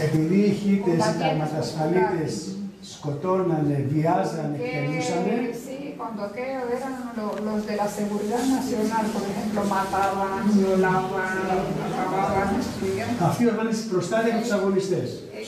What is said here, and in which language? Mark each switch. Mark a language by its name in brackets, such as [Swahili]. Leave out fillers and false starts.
[Greek] Επειδή οι ηχίτες, οι αρματασφαλίτες σκοτώνανε, βιάζανε, εκτελούσανε. [Spanish] Sí, cuando aquello eran los de la seguridad nacional, por ejemplo, mataban, violaban, acababan, destruían. [Greek] Αυτοί οργάνωσαν προστάτευαν τους αγωνιστές.